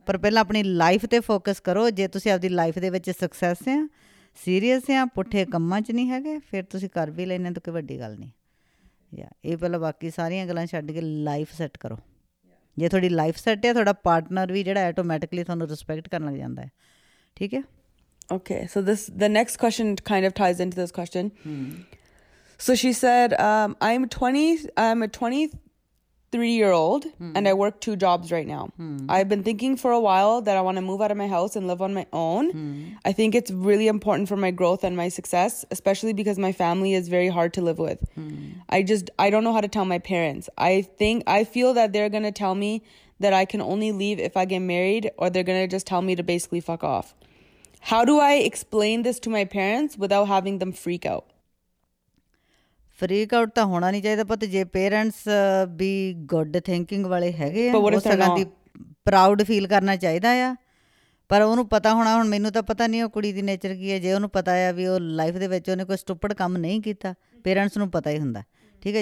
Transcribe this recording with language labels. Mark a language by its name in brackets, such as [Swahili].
[Punjabi] ਪਰ ਪਹਿਲਾਂ ਆਪਣੀ ਲਾਈਫ 'ਤੇ ਫੋਕਸ ਕਰੋ, ਜੇ ਤੁਸੀਂ ਆਪਦੀ ਲਾਈਫ ਦੇ ਵਿੱਚ ਸਕਸੈਸ ਆ, ਸੀਰੀਅਸ ਆ, ਪੁੱਠੇ ਕੰਮਾਂ 'ਚ ਨਹੀਂ ਹੈਗੇ, ਫਿਰ ਤੁਸੀਂ ਕਰ ਵੀ ਲੈਂਦੇ ਤਾਂ ਕੋਈ ਵੱਡੀ ਗੱਲ ਨਹੀਂ। ਜਾਂ ਇਹ ਪਹਿਲਾਂ ਬਾਕੀ ਸਾਰੀਆਂ ਗੱਲਾਂ ਛੱਡ ਕੇ ਲਾਈਫ ਸੈੱਟ ਕਰੋ। ਜੇ ਤੁਹਾਡੀ ਲਾਈਫ ਸੈੱਟ ਆ, ਤੁਹਾਡਾ ਪਾਰਟਨਰ ਵੀ ਜਿਹੜਾ ਆਟੋਮੈਟਿਕਲੀ ਤੁਹਾਨੂੰ ਰਿਸਪੈਕਟ ਕਰਨ ਲੱਗ ਜਾਂਦਾ ਹੈ, ਠੀਕ ਹੈ। [English] Okay, so this, the next question kind of ties into this question. So she said, I'm a 23-year-old and I work 2 jobs right now. I've been thinking for a while that I want to move out of my house and live on my own. I think it's really important for my growth and my success, especially because my family is very hard to live with. I don't know how to tell my parents. I feel that they're going to tell me that I can only leave if I get married, or they're going to just tell me to basically fuck off. How do I explain this to my parents without having them freak out? [Punjabi] Freak out ਤਾਂ ਹੋਣਾ ਨਹੀਂ ਚਾਹੀਦਾ, ਪਰ ਜੇ parents ਵੀ good thinking ਵਾਲੇ ਹੈਗੇ ਆ, ਉਹ ਸਗਾਂ ਦੀ ਪ੍ਰਾਊਡ ਫੀਲ ਕਰਨਾ ਚਾਹੀਦਾ ਆ। ਪਰ ਉਹਨੂੰ ਪਤਾ ਹੋਣਾ, ਹੁਣ ਮੈਨੂੰ ਤਾਂ ਪਤਾ ਨਹੀਂ ਉਹ ਕੁੜੀ ਦੀ ਨੇਚਰ ਕੀ ਹੈ, ਜੇ ਉਹਨੂੰ ਪਤਾ ਆ ਵੀ ਉਹ ਲਾਈਫ ਦੇ ਵਿੱਚ ਉਹਨੇ ਕੋਈ ਸਟੁਪਿਡ ਕੰਮ ਨਹੀਂ ਕੀਤਾ, ਪੇਰੈਂਟਸ ਨੂੰ ਪਤਾ ਹੀ ਹੁੰਦਾ, ਠੀਕ ਹੈ।